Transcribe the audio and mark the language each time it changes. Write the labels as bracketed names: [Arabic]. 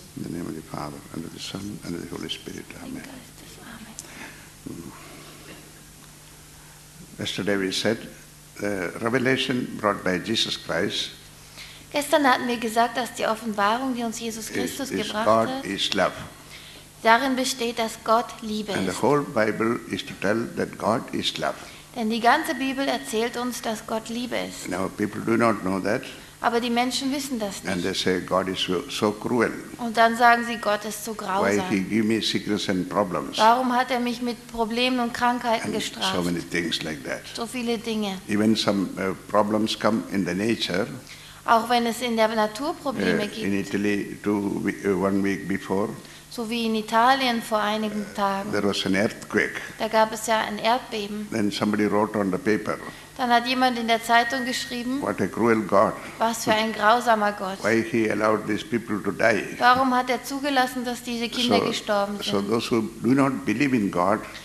[English] In the name of the Father, and of the Son, and of the Holy Spirit. Amen. Amen. Yesterday we said, the revelation brought by Jesus Christ. [German] Gestern hatten wir gesagt, dass die Offenbarung, die uns Jesus Christus gebracht [English] God [German] hat, [English] is love. [German] Darin besteht, dass Gott Liebe [English] and [German] ist. [English] The whole Bible is to tell that God is love. [German] Denn die ganze Bibel erzählt uns, dass Gott Liebe ist. [English] Now, people do not know that. [German] Aber die Menschen wissen das nicht. [English] And they say, God is so cruel. [German] Und dann sagen sie, Gott ist so grausam. [English] Why he give me sickness and problems? [German] Warum hat er mich mit Problemen und Krankheiten and gestraft? [English] So many things like that. [German] So viele Dinge. [English] Even some problems come in the nature. [German] Auch wenn es in der Natur Probleme gibt. [English] In Italy, one week before, [German] so wie in Italien vor einigen Tagen. [English] There was an earthquake. [German] Da gab es ja ein Erdbeben. [English] Then somebody wrote on the paper. [German] Dann hat jemand in der Zeitung geschrieben, [English] what a cruel God. [German] Was für ein grausamer Gott. [English] Why he allowed these people to die. [German] Warum hat er zugelassen, dass diese Kinder gestorben sind? [English] So those who do not believe in God,